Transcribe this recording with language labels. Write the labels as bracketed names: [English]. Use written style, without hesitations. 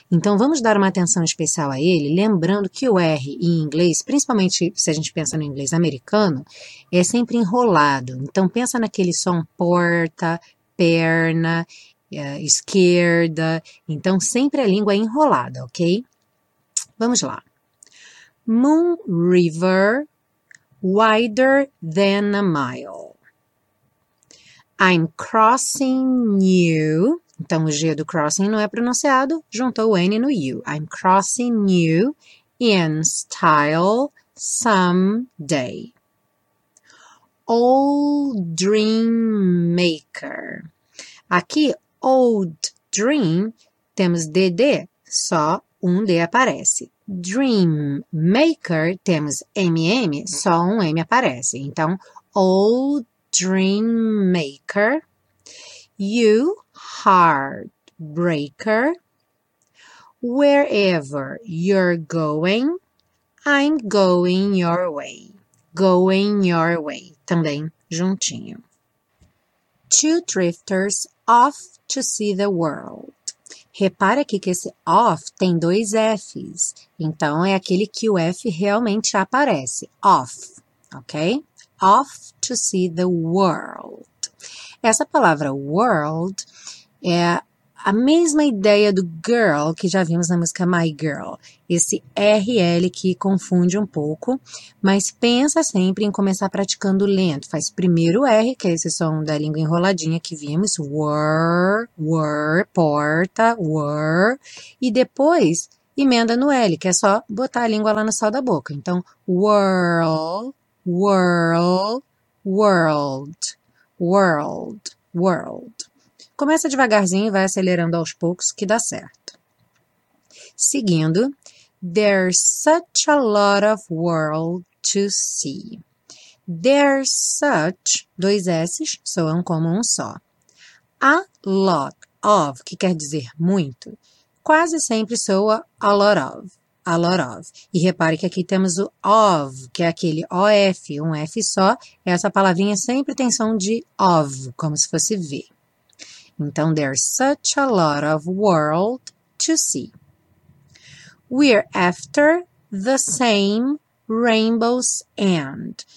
[Portuguese] Então vamos dar uma atenção especial a ele, lembrando que o R em inglês, principalmente se a gente pensa no inglês americano, é sempre enrolado. Então pensa naquele som porta, perna, esquerda. Então sempre a língua é enrolada, ok? Vamos lá. [English] Moon River wider than a mile. I'm crossing you. [Portuguese] Então, o G do crossing não é pronunciado, juntou o N no you. [English] I'm crossing you in style someday. Old dream maker. [Portuguese] Aqui, old dream, temos DD, só um D aparece. Dream maker, temos MM, só um M aparece. [English] Então, o dream maker, you heart breaker, wherever you're going, I'm going your way. Going your way. [Portuguese] Também juntinho. [English] Two drifters off to see the world. [Portuguese] Repara aqui que esse off tem dois Fs. Então é aquele que o F realmente aparece. Off. Ok? [English] Off to see the world. [Portuguese] Essa palavra world é a mesma ideia do girl que já vimos na música My Girl. Esse RL que confunde um pouco, mas pensa sempre em começar praticando lento. Faz primeiro o R, que é esse som da língua enroladinha que vimos. [English] Were, were, porta, were. [Portuguese] E depois emenda no L, que é só botar a língua lá no sol da boca. [English] Então, world. World, world, world, world. [Portuguese] Começa devagarzinho e vai acelerando aos poucos que dá certo. [English] Seguindo, there's such a lot of world to see. There's such, [Portuguese] dois S's, soam como um só. A lot of, que quer dizer muito, quase sempre soa [English] a lot of. A lot of. [Portuguese] E repare que aqui temos o of, que é aquele OF, um F só. Essa palavrinha sempre tem som de of, como se fosse V. [English] Então, there's such a lot of world to see. We're after the same rainbows and.